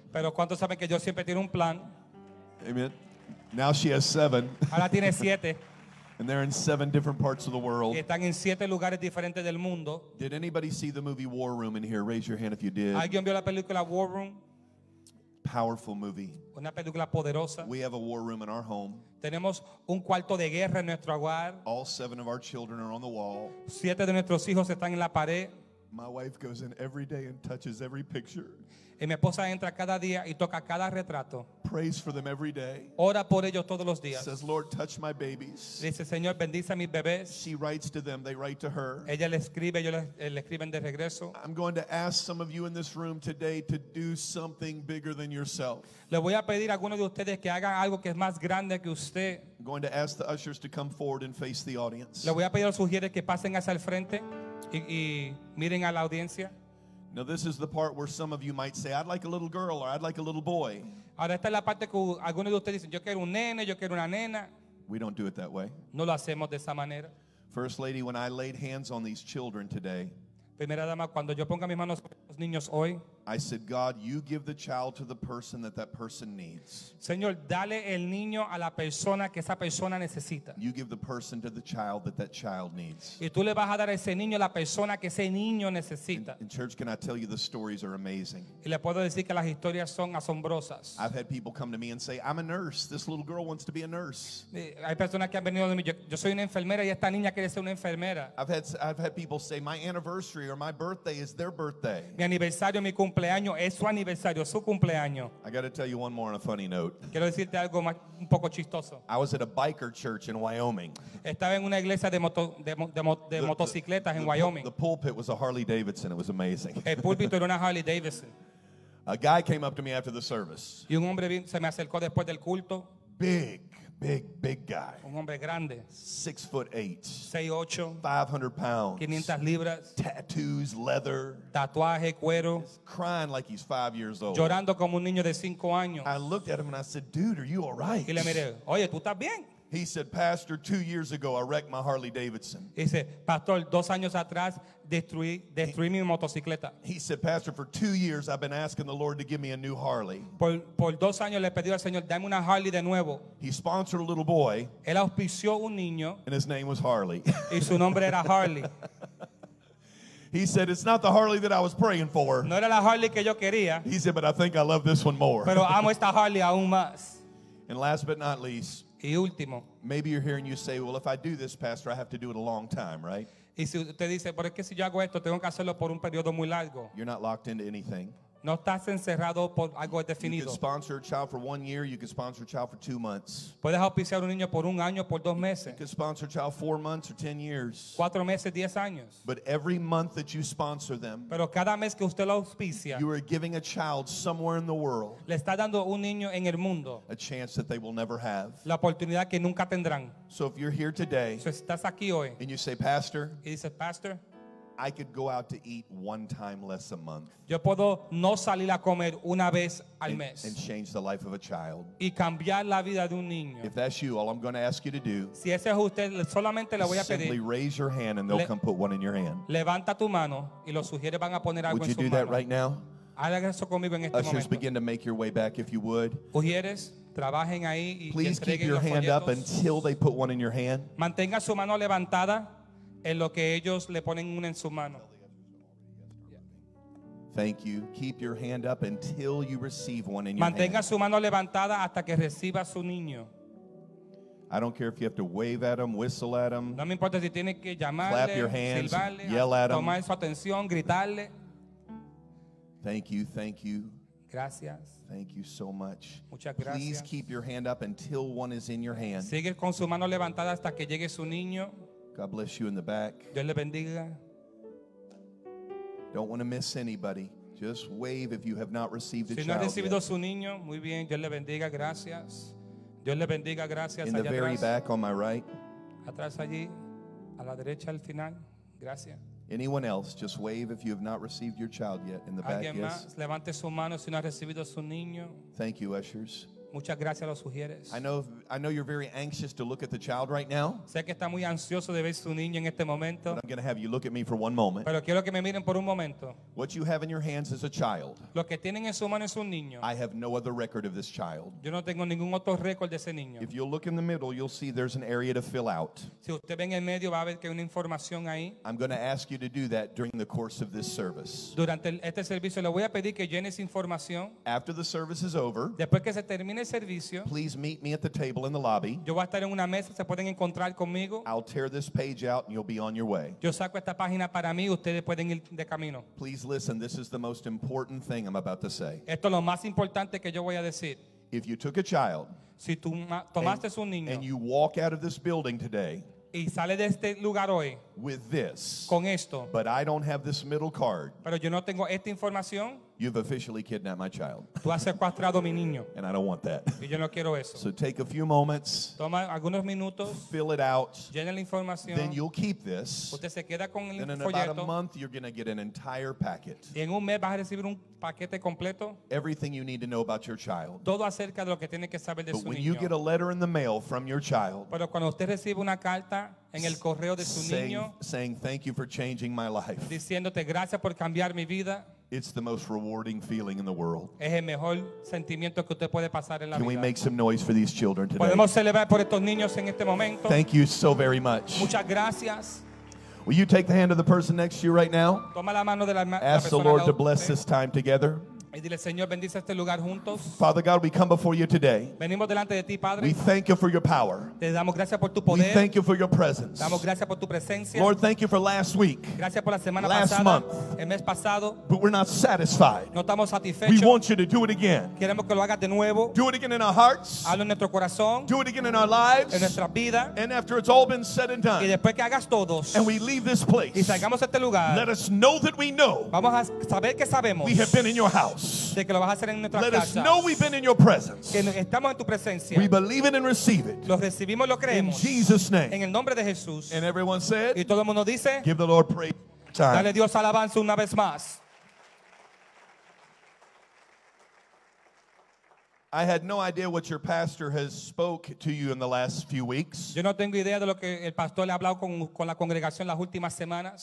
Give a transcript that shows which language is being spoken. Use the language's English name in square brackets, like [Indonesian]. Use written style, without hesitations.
[Spanish] Pero ¿cuántos saben que Dios siempre tiene un plan? [English] Amen. Now she has seven. [Spanish] Ahora tiene siete. [English] And they're in seven different parts of the world. [Spanish] Están en siete lugares diferentes del mundo. [English] Did anybody see the movie War Room in here? Raise your hand if you did. [Spanish] ¿Alguien vio la película War Room? [English] Powerful movie. [Spanish] Una película poderosa. [English] We have a war room in our home. [Spanish] Tenemos un cuarto de guerra en nuestro hogar. [English] All seven of our children are on the wall. [Spanish] Siete de nuestros hijos están en la pared. [English] My wife goes in every day and touches every picture. [Spanish] Y mi esposa entra cada día y toca cada retrato. [English] Prays for them every day. [Spanish] Ora por ellos todos los días. [English] Says, Lord, touch my babies. [Spanish] Dice, Señor, bendice a mis bebés. [English] She writes to them, they write to her. [Spanish] Ella le escribe, ellos le escriben de regreso. [English] I'm going to ask some of you in this room today to do something bigger than yourself. [Spanish] Le voy a pedir a algunos de ustedes que hagan algo que es más grande que usted. [English] I'm going to ask the ushers to come forward and face the audience. [Spanish] Le voy a pedir a los ushers que pasen hacia el frente y miren a la audiencia. [English] Now this is the part where some of you might say, I'd like a little girl or I'd like a little boy. [Spanish] Ahora esta es la parte que algunos de ustedes dicen, yo quiero un nene, yo quiero una nena. [English] We don't do it that way. [Spanish] No lo hacemos de esa manera. [English] First lady, when I laid hands on these children today, [Spanish] Primera dama, cuando yo ponga mis manos sobre los niños hoy, [English] I said, God, you give the child to the person that that person needs. [Spanish] Señor, dale el niño a la persona que esa persona necesita. [English] You give the person to the child that that child needs. [Spanish] Y tú le vas a dar a ese niño a la persona que ese niño necesita. [English] In church, can I tell you the stories are amazing? [Spanish] Y le puedo decir que las historias son asombrosas. [English] I've had people come to me and say, I'm a nurse. This little girl wants to be a nurse. [Spanish] Hay personas que han venido de mí. Yo soy una enfermera y esta niña quiere ser una enfermera. [English] I've had people say, my anniversary or my birthday is their birthday. [Spanish] Mi aniversario, mi cumpleaños es su aniversario, su cumpleaños. [English] I got to tell you one more on a funny note. [Spanish] Quiero decirte algo más un poco chistoso. [English] I was at a biker church in Wyoming. [Spanish] Estaba en una iglesia de motocicletas en Wyoming. [English] The pulpit was a Harley Davidson. It was amazing. [Spanish] El púlpito era una Harley Davidson. [English] A guy came up to me after the service. [Spanish] Y un hombre se me acercó después del culto. [English] Big guy. Un hombre grande. 6'8". [Spanish] 6'8". [English] 500 pounds. [Spanish] 500 libras. [English] Tattoos, leather. [Spanish] Tatuaje, cuero. [English] He's crying like he's 5 years old. [Spanish] Llorando como un niño de 5 años. [English] I looked at him and I said, dude, are you all right? [Spanish] Y le miré, oye, ¿tú estás bien? [English] He said, Pastor, 2 years ago, I wrecked my Harley Davidson. [Spanish] Dice, Pastor, 2 años atrás, destruí mi motocicleta. [English] He said, Pastor, for 2 years, I've been asking the Lord to give me a new Harley. [Spanish] Por 2 años le he pedido al Señor, dame una Harley de nuevo. [English] He sponsored a little boy. [Spanish] Él auspició un niño. [English] And his name was Harley. [Spanish] Y su nombre era Harley. [English] He said, it's not the Harley that I was praying for. [Spanish] No era la Harley que yo quería. [English] He said, but I think I love this one more. [Spanish] Pero amo esta Harley aún más. [English] And last but not least, [Spanish] y último, [English] maybe you're hearing you say, well, if I do this, Pastor, I have to do it a long time, right? [Spanish] Y si usted dice, pero es que si yo hago esto, tengo que hacerlo por un periodo muy largo. [English] You're not locked into anything. [Spanish] No estás encerrado por algo definido. [English] You can sponsor a child for 1 year. You can sponsor a child for 2 months. [Spanish] Puedes auspiciar un niño por un año, por 2 meses. [English] You can sponsor a child 4 months or 10 years. [Spanish] 4 meses, 10 años. [English] But every month that you sponsor them, [Spanish] pero cada mes que usted lo auspicia, [English] you are giving a child somewhere in the world, [Spanish] le está dando un niño en el mundo, [English] a chance that they will never have, [Spanish] la oportunidad que nunca tendrán. [English] So if you're here today, [Spanish] si estás aquí hoy, [English] and you say, Pastor, [Spanish] y dice, Pastor, [English] I could go out to eat one time less a month. [Spanish] Yo puedo no salir a comer una vez al mes. [English] And change the life of a child. [Spanish] Y cambiar la vida de un niño. [English] If that's you, all I'm going to ask you to do, [Spanish] si ese es usted, solamente le voy a pedir, [English] simply raise your hand and they'll come put one in your hand. [Spanish] Levanta tu mano y los sugieres van a poner algo en su mano. [English] Would you do that right now? [Spanish] Haga eso conmigo en este momento. [English] Ushers, begin to make your way back if you would. [Spanish] Ujieres, trabajen ahí y [English] please keep your hand up until they put one in your hand. [Spanish] Mantenga su mano levantada en lo que ellos le ponen una en su mano. [English] Thank you. Keep your hand up until you receive one in your hand. [Spanish] Mantenga su mano levantada hasta que reciba su niño. [English] I don't care if you have to wave at them, whistle at them. [Spanish] No me importa si tiene que llamarle, [English] clap your hands, [Spanish] silbarle, [English] yell at them. [Spanish] Tomar su atención, gritarle. [English] Thank you. Thank you. [Spanish] Gracias. [English] Thank you so much. [Spanish] Muchas gracias. [English] Please keep your hand up until one is in your hand. [Spanish] Sigue con su mano levantada hasta que llegue su niño. [English] God bless you in the back. [Spanish] Dios le bendiga. [English] Don't want to miss anybody. Just wave if you have not received a child. [Spanish] Si no ha recibido su niño, muy bien. Dios le bendiga. Gracias. Dios le bendiga. Gracias. [English] In the very back on my right. [Spanish] Atrás allí, a la derecha al final. Gracias. [English] Anyone else? Just wave if you have not received your child yet. In the back, yes. [Spanish] Levante su mano si no ha recibido su niño. [English] Thank you, ushers. [Spanish] Muchas gracias a los sugieres. [English] I know you're very anxious to look at the child right now. [Spanish] Sé que está muy ansioso de ver su niño en este momento. [English] But I'm going to have you look at me for one moment. [Spanish] Pero quiero que me miren por un momento. [English] What you have in your hands is a child. [Spanish] Lo que tienen en su mano es un niño. [English] I have no other record of this child. [Spanish] Yo no tengo ningún otro récord de ese niño. [English] If you look in the middle, you'll see there's an area to fill out. [Spanish] Si usted ve en el medio, va a ver que hay una información ahí. [English] I'm going to ask you to do that during the course of this service. [Spanish] Durante este servicio le voy a pedir que llene esa información. [English] After the service is over. [Spanish] Después que se termine. [English] Please meet me at the table in the lobby. [Spanish] Yo voy a estar en una mesa, se pueden encontrar conmigo. [English] I'll tear this page out and you'll be on your way. [Spanish] Yo saco esta página para mí, ustedes pueden ir de camino. [English] Please listen, this is the most important thing I'm about to say. [Spanish] Esto es lo más importante que yo voy a decir. [English] If you took a child, [Spanish] si tú tomaste un niño, [English] and you walk out of this building today, [Spanish] y sale de este lugar hoy, [English] with this, [Spanish] con esto, [English] but I don't have this middle card, [Spanish] pero yo no tengo esta información, [English] you've officially kidnapped my child. [Spanish] Tú has secuestrado mi niño. [English] And I don't want that. [Spanish] Y yo no quiero eso. [English] So take a few moments. [Spanish] Toma algunos minutos. [English] Fill it out. [Spanish] Llena la información. [English] Then you'll keep this. [Spanish] Usted se queda con el [English] then in [Spanish] folleto. [English] About a month, you're going to get an entire packet. [Spanish] Y en un mes vas a recibir un paquete completo. [English] Everything you need to know about your child. [Spanish] Todo acerca de lo que tiene que saber de [English] but [Spanish] su [English] when [Spanish] niño. [English] You get a letter in the mail from your child. [Spanish] Pero cuando usted recibe una carta en el correo de su [English] saying, [Spanish] niño. [English] Saying thank you for changing my life. [Spanish] Diciéndote gracias por cambiar mi vida. [English] It's the most rewarding feeling in the world. [Spanish] Es el mejor sentimiento que usted puede pasar en la [English] Can [Spanish] vida. [English] We make some noise for these children today? [Spanish] Podemos celebrar por estos niños en este momento. [English] Thank you so very much. [Spanish] Muchas gracias. [English] Will you take the hand of the person next to you right now? [Spanish] Toma la mano de la [English] Ask persona the Lord to bless this time together. [Spanish] Y dile, Señor, bendice este lugar juntos. [English] Father God, we come before you today. [Spanish] Venimos delante de ti, Padre. [English] We thank you for your power. [Spanish] Te damos gracias por tu poder. [English] We thank you for your presence. [Spanish] Damos gracias por tu presencia. [English] Lord, thank you for last week. [Spanish] Gracias por la semana [English] last [Spanish] pasada, [English] month. [Spanish] El mes pasado. [English] But we're not satisfied. [Spanish] No estamos satisfechos. [English] We want you to do it again. [Spanish] Queremos que lo hagas de nuevo. [English] Do it again in our hearts. [Spanish] Hazlo en nuestro corazón. [English] Do it again in our lives. [Spanish] En nuestras vidas. [English] And after it's all been said and done. [Spanish] Y después que hagas todos. [English] And we leave this place. [Spanish] Y salgamos este lugar. [English] Let us know that we know. [Spanish] Vamos a saber que sabemos. [English] We have been in your house. [Spanish] De que lo vas a hacer en nuestra [English] Let [Spanish] casa. [English] Us know we've been in your presence. [Spanish] Que estamos en tu presencia. [English] We believe it and receive it. [Spanish] Lo recibimos, lo creemos. [English] In Jesus' name. [Spanish] En el nombre de Jesús. [English] And everyone said. [Spanish] Y todo el mundo dice. [English] Give the Lord praise. Time. [Spanish] Dale Dios alabanza una vez más. [English] I had no idea what your pastor has spoke to you in the last few weeks. [Spanish] Yo no tengo idea de lo que el pastor le ha hablado con la congregación las últimas semanas.